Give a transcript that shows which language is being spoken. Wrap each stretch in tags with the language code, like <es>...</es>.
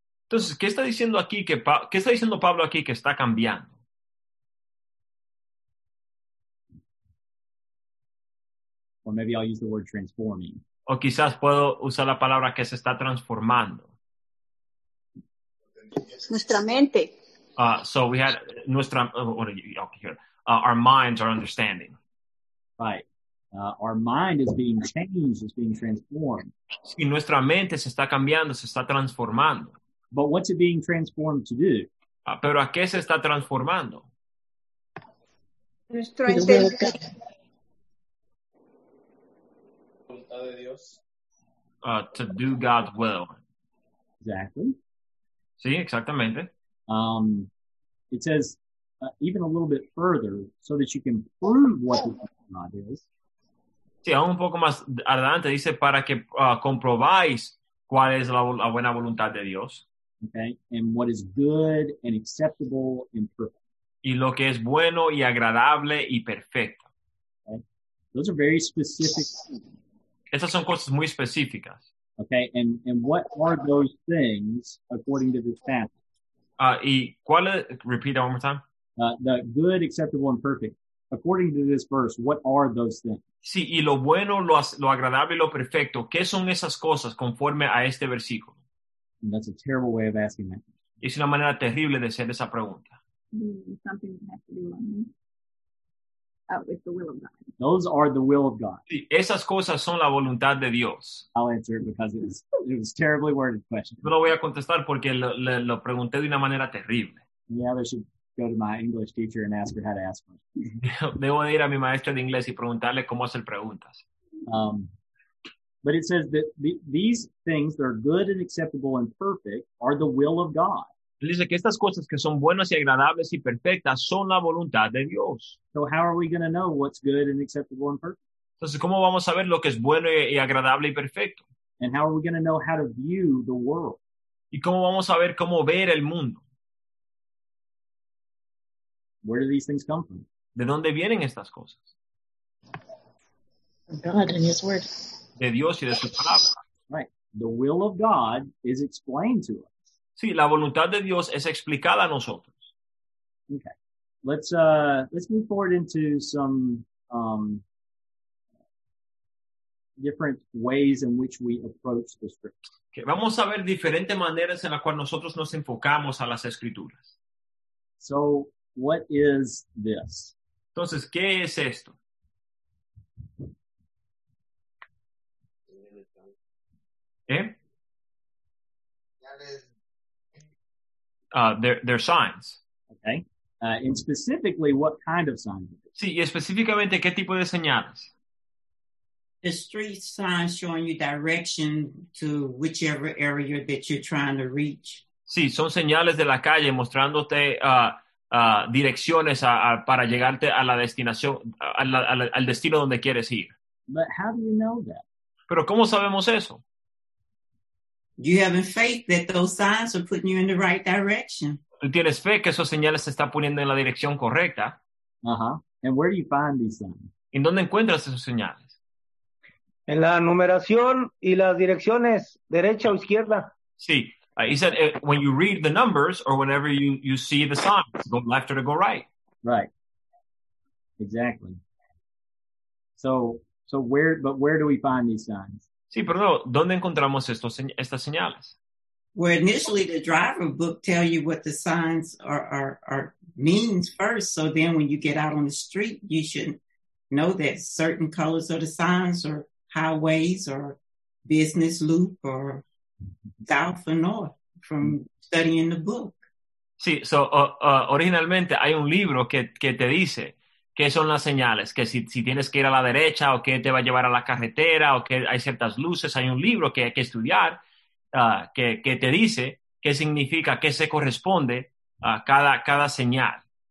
<es>Entonces, ¿qué está diciendo aquí qué está diciendo Pablo aquí que está cambiando?</es> <en>Or maybe I'll use the word transforming.</en> <es>O quizás puedo usar la palabra que se está transformando. Nuestra mente.</es> <en>So we had nuestra our minds, our understanding. Right. Our mind is being changed, is being transformed.</en> <es>Sí, nuestra mente se está cambiando, se está transformando.</es> <en>But what's it being transformed to do?</en> <es>Pero ¿a qué se está transformando? Nuestro entendimiento. Voluntad de Dios.</es> <en>To do God's will. Exactly.</en> <es>Sí, exactamente.</es> <en>It says, even a little bit further, so that you can prove what the will of God is.</en> <es>Sí, aún un poco más adelante dice para que comprobáis cuál es la buena voluntad de Dios.</es> <en>Okay, and what is good and acceptable and perfect.</en> <es>Y lo que es bueno y agradable y perfecto.</es> <en>Okay. Those are very specific things.</en> <es>Esas son cosas muy específicas.</es> <en>Okay, and what are those things according to this passage?</en> <es>Y cuál es,</es> <en>repeat that one more time. The good, acceptable, and perfect. According to this verse, what are those things?</en> <es>Sí, y lo bueno, lo agradable y lo perfecto, ¿qué son esas cosas conforme a este versículo?</es> <en>And that's a terrible way of asking that.</en> <es>Es una manera terrible de hacer esa pregunta.</es> <en>Something that has to do with me. with the will of God. Those are the will of God. Sí, esas cosas son la voluntad de Dios. I'll answer it because it was terribly worded question.</en> <es>No lo voy a contestar porque lo pregunté de una manera terrible.</es> <en>Yeah, I should go to my English teacher and ask her how to ask one.</en> <es>Debo ir a mi maestra de inglés y preguntarle cómo hacer preguntas.</es> <en>But it says that these things that are good and acceptable and perfect are the will of God.</en> <es>Dice que estas cosas que son buenas y agradables y perfectas son la voluntad de Dios.</es> <en>So how are we going to know what's good and acceptable and perfect?</en> <es>Entonces, ¿cómo vamos a saber lo que es bueno y agradable y perfecto?</es> <en>And how are we going to know how to view the world?</en> <es>¿Y cómo vamos a ver cómo ver el mundo?</es> <en>Where do these things come from?</en> <es>¿De dónde vienen estas cosas?</es> <en>God and His Word.</en> <es>De Dios y de su palabra.</es> <en>Right. The will of God is explained to us.</en> <es>Sí, la voluntad de Dios es explicada a nosotros.</es> <en>Okay. Let's move forward into some different ways in which we approach the scriptures. Okay.</en> <es>Vamos a ver diferentes maneras en las cuales nosotros nos enfocamos a las escrituras.</es> <en>So, what is this?</en> <es>Entonces, ¿qué es esto?</es> <en>They're signs. Okay. And specifically, what kind of signs?</en> <es>Sí, y específicamente, ¿qué tipo de señales?</es> <en>The street signs showing you direction to whichever area that you're trying to reach.</en> <es>Sí, son señales de la calle mostrándote direcciones para llegarte a la destinación, al destino donde quieres ir.</es> <en>But how do you know that?</en> <es>Pero ¿cómo sabemos eso?</es> <en>You have faith that those signs are putting you in the right direction.</en> <es>Tú tienes fe que esos señales te están poniendo en la dirección correcta.</es> <en>Uh-huh. And where do you find these signs?</en> <es>¿En dónde encuentras esos señales? En la numeración y las direcciones, derecha o izquierda. Sí.</es> <en>He said, when you read the numbers or whenever you see the signs, go left or go right. Right. Exactly. So where do we find these signs?</en> <es>Sí, pero no, ¿dónde encontramos estas señales?</es> <en>Well, initially the driver book tell you what the signs are means first, so then when you get out on the street, you should know that certain colors are the signs, or highways, or business loop, or south or north, from studying the book.</en> <es>Sí, so originalmente hay un libro que te dice ¿qué son las señales? Que si tienes que ir a la derecha, o que te va a llevar a la carretera, o que hay ciertas luces, hay un libro que hay que estudiar, que te dice qué significa, qué se corresponde a cada señal.</es>